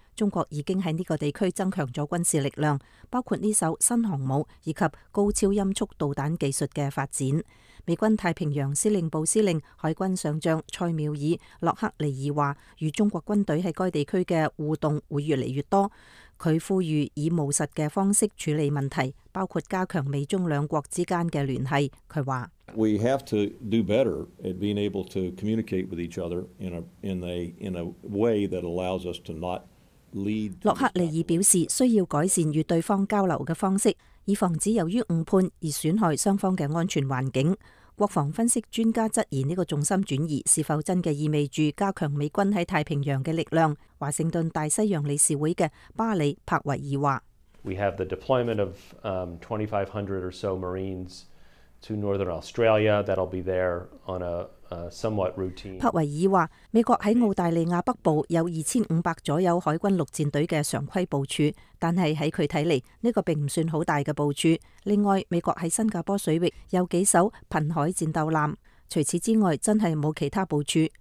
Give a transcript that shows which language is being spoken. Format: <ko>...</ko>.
<zh>中国已经在这个地区增强了军事力量，包括这艘新航母以及高超音速导弹技术的发展。美军太平洋司令部司令海军上将蔡妙尔·洛克尼尔说，与中国军队在该地区的互动会越来越多，他呼吁以务实的方式处理问题，包括加强美中两国之间的联系。他说</zh> <en>We have to do better at being able to communicate with each other in a way that allows us to not lead.</en> <zh>洛克尼尔表示需要改善与对方交流的方式，以防止由于误判而损害双方的安全环境。国防分析专家质疑这个重心转移是否真的意味着加强美军在太平洋的力量。华盛顿大西洋理事会的巴里·帕维尔说</zh> <en>We have the deployment of 2,500 or so Marines to Northern Australia that will be there on a somewhat routine.</en> <zh>帕维尔说美国在澳大利亚北部有2,500左右海军陆战队的常规部署，但是在他看来这个并不算很大的部署。另外美国在新加坡水域有几艘频海战斗舰，除此之外真是没有其他部署。</zh>